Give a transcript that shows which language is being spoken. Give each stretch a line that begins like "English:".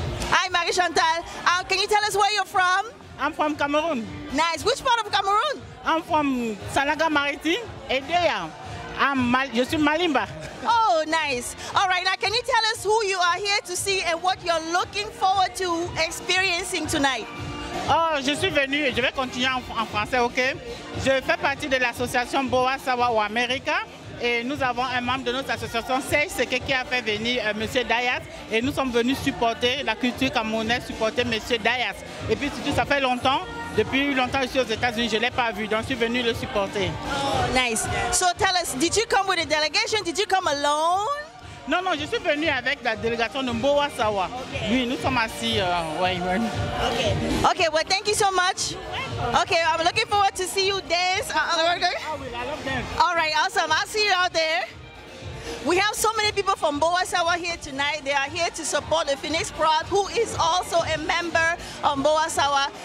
English: Hi, Marie-Chantal. Can you tell us where you're from? I'm from Cameroon. Nice, which part of Cameroon? I'm from Sanaga Maritime, Edea.
French: Je suis Malimba.
English: Oh, nice. All right, now can you tell us who you are here to see and what you're looking forward to experiencing tonight?
French: Oh, je suis venue, je vais continuer en français, ok? Je fais partie de l'association Boa Sawa ou America et nous avons un membre de notre association, c'est ce qui a fait venir Monsieur Dias et nous sommes venus supporter la culture camerounaise, supporter Monsieur Dias. Et puis surtout, ça fait longtemps, depuis longtemps je suis aux États-Unis, je ne l'ai pas vu, donc je suis venue le supporter.
English: Oh, nice. So tell us, did you come with a delegation? Did you come alone?
French: Non, non, je suis venue avec la délégation de Mboa Sawa. Okay. Oui, nous sommes assis.
English: Okay. Okay, well, thank you so much. Okay, I'm looking forward to see you dance. I love dance. All right, awesome. I'll see you out there. We have so many people from Mboa Sawa here tonight. They are here to support the Phoenix Pride, who is also a member of Mboa Sawa.